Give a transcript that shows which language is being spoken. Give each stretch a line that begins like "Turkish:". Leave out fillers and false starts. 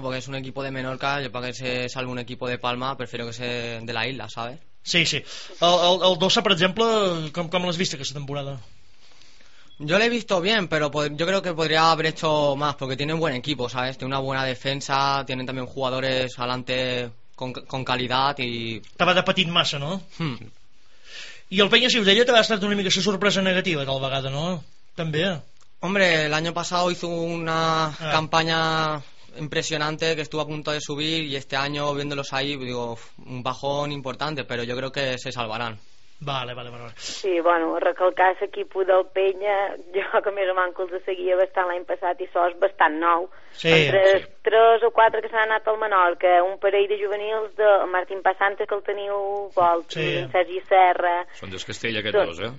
Catalan: Perquè és un equip de Menorca, jo perquè se salve un equip de Palma,
Spanish: prefiero que sea de la isla, ¿sabes?
Catalan: Sí, sí. El Dosa, per exemple, com l'has vist aquesta temporada?
Spanish: Yo lo he visto bien, pero yo creo que podría haber hecho más, porque tiene un buen equipo, ¿sabes? Tiene una buena defensa, tienen también jugadores adelante con calidad y...
Catalan: Estava de petit massa, no? I el Penya Ciutadella t'ha estat una mica la sorpresa negativa tal vegada, no? També.
Spanish: Hombre, el año pasado hizo una campaña impresionante que estuvo a punto de subir, y este año viéndolos ahí, digo, un bajón importante, pero yo creo que se salvarán.
Catalan: Vale. Sí, bueno, recalcar l'equip del Penya, jo que més o menys els seguia bastant l'any passat i això és bastant nou. Sí, entre sí. tres o quatre que s'han anat al Menorca, un parell de juvenils de Martín Passante, que el teniu volt, sí. Sergi Serra... Són dels Castell, aquests dos, eh?